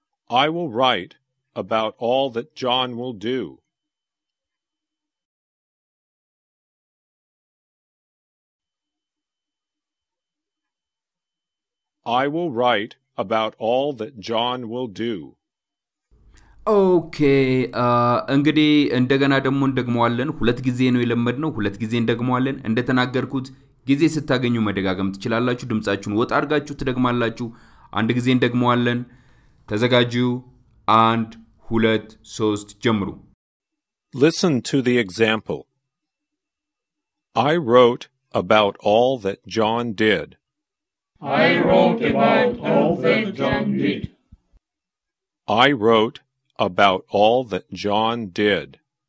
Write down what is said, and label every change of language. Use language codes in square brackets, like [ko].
[en] I will write about all that John will do. I will write about all that John will do. [am] ኦኬ እንግዲህ እንደገና ደግሞ እንደግመዋለን ሁለት ጊዜ ነው የለመድነው ሁለት ጊዜ እንደግመዋለን እንደተናገርኩት ጊዜ ስታገኙ መደጋገም ትችላላችሁ ድምጻችሁን ወጣ አድርጋችሁ ትደግማላችሁ አንድ ጊዜ እንደግመዋለን ተዘጋጁ 1 2 3 ጀምሩ [en] Listen to the example I wrote about all that John did I wrote about all that John did I wrote about all that John did.